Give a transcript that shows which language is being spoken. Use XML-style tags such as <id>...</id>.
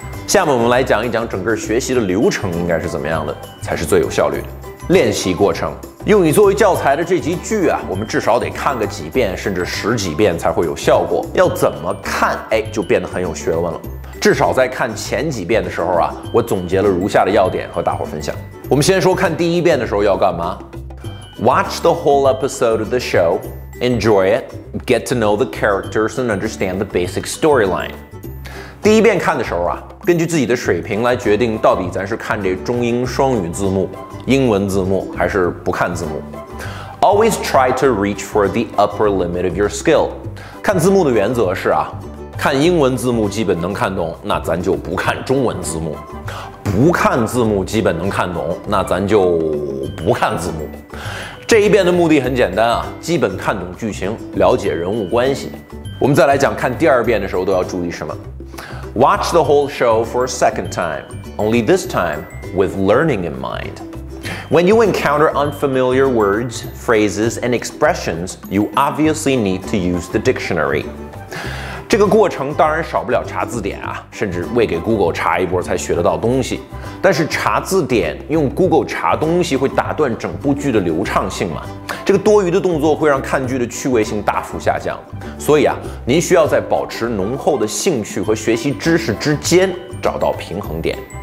<zh>下面我们来讲一讲整个学习的流程应该是怎么样的，才是最有效率的。练习过程，用你作为教材的这集剧啊，我们至少得看个几遍，甚至10几遍才会有效果。要怎么看，哎，就变得很有学问了。至少在看前几遍的时候啊，我总结了如下的要点和大伙分享。我们先说看第一遍的时候要干嘛。</zh> <en>Watch the whole episode of the show, enjoy it, get to know the characters and understand the basic storyline.</en> <zh>第一遍看的时候啊，根据自己的水平来决定到底咱是看这中英双语字幕、英文字幕还是不看字幕。</zh> <en>Always try to reach for the upper limit of your skill.</en> <zh>看字幕的原则是啊，看英文字幕基本能看懂，那咱就不看中文字幕。不看字幕基本能看懂，那咱就不看字幕。这一遍的目的很简单啊，基本看懂剧情，了解人物关系。我们再来讲看第二遍的时候都要注意什么。</zh> <en>Watch the whole show for a second time, only this time with learning in mind. When you encounter unfamiliar words, phrases, and expressions, you obviously need to use the dictionary.</en> <zh>这个过程当然少不了查字典啊，甚至为给 Google 查一波才学得到东西。但是查字典用 Google 查东西会打断整部剧的流畅性嘛？这个多余的动作会让看剧的趣味性大幅下降。所以啊，您需要在保持浓厚的兴趣和学习知识之间找到平衡点。</zh>